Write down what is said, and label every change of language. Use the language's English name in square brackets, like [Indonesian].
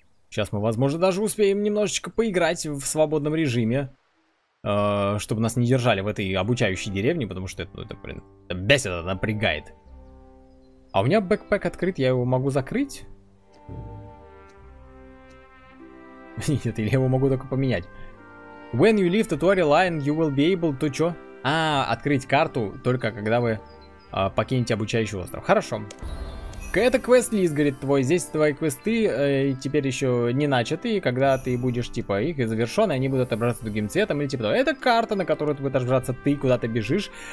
[Russian] Сейчас мы, возможно, даже успеем немножечко поиграть в свободном режиме. Чтобы нас не держали в этой обучающей деревне, потому что это бесит, это напрягает. А у меня бэкпэк открыт, я его могу закрыть? Нет, или я его могу только поменять? [English] When you leave the tutorial line, you will be able to... [Russian] Чё? А, открыть карту только когда вы покинете обучающий остров. Хорошо. Это квест-лист, говорит твой. Здесь твои квесты теперь еще не начаты. И когда ты будешь, типа, их завершен, они будут отображаться другим цветом. Или, типа, это карта, на которую ты будешь отображаться ты, куда ты бежишь.